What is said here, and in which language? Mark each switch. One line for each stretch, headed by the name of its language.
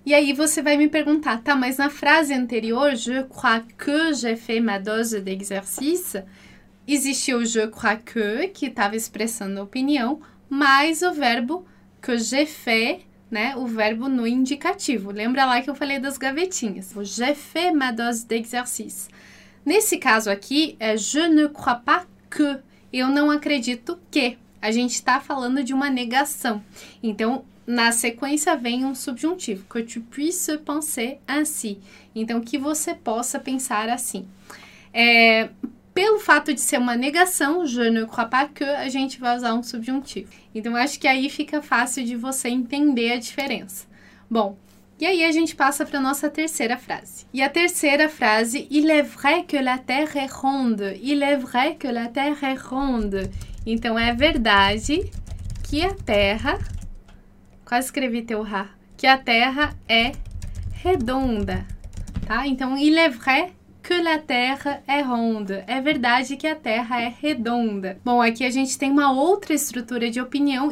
Portuguese: E aí você vai me perguntar, tá, mas na frase anterior,
French: je crois que j'ai fait ma dose d'exercice,
Portuguese: existiu o
French: je crois que
Portuguese: estava expressando opinião, mais o verbo
French: que j'ai fait,
Portuguese: né, o verbo no indicativo. Lembra lá que eu falei das gavetinhas?
French: O j'ai fait ma dose d'exercice.
Portuguese: Nesse caso aqui, é
French: je ne crois pas que.
Portuguese: Eu não acredito que. A gente está falando de uma negação. Então, na sequência vem um subjuntivo.
French: Que tu puisses penser ainsi.
Portuguese: Então, que você possa pensar assim. Pelo fato de ser uma negação,
French: je ne crois pas que,
Portuguese: a gente vai usar um subjuntivo. Então, acho que aí fica fácil de você entender a diferença. Bom, e aí a gente passa para a nossa terceira frase. E a terceira frase,
French: il est vrai que la terre est ronde. Il est vrai que la terre est ronde.
Portuguese: Então, é verdade que a terra, quase escrevi teu ra, que a terra é redonda, tá? Então,
French: il est vrai que la terre est ronde.
Portuguese: É verdade que a terra é redonda. Bom, aqui a gente tem uma outra estrutura de opinião.